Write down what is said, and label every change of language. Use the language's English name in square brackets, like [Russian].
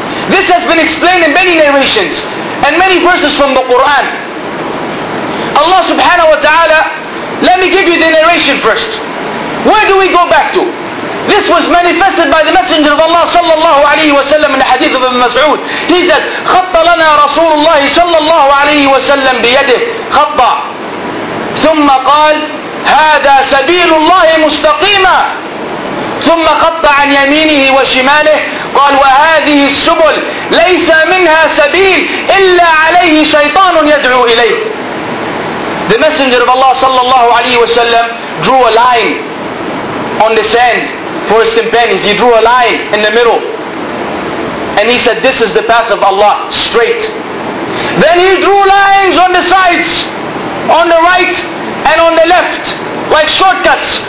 [English] This has been explained in many narrations and many verses from the Quran. Allah subhanahu wa ta'ala, let me give you the narration first. Where do we go back to? This was manifested by the Messenger of Allah sallallahu alayhi wa sallam in the hadith of Ibn Mas'ud. He said, [Arabic] خَطَّ لَنَا رَسُولُ اللَّهِ صَلَّى اللَّهُ عَلَيْهِ وَسَلَّمْ بِيَدِهِ خَطَّ ثُمَّ قَالْ هَذَا سَبِيلُ اللَّهِ مُسْتَقِيمًا ثم قطع عن يمينه وشماله قال وهذه السبل ليس منها سبيل إلا عليه شيطان يدعو إليه. [English] The Messenger of Allah sallallahu alayhi wa sallam drew a line on the sand for his companions. He drew a line in the middle and he said, this is the path of Allah, straight. Then he drew lines on the sides, on the right and on the left, like shortcuts.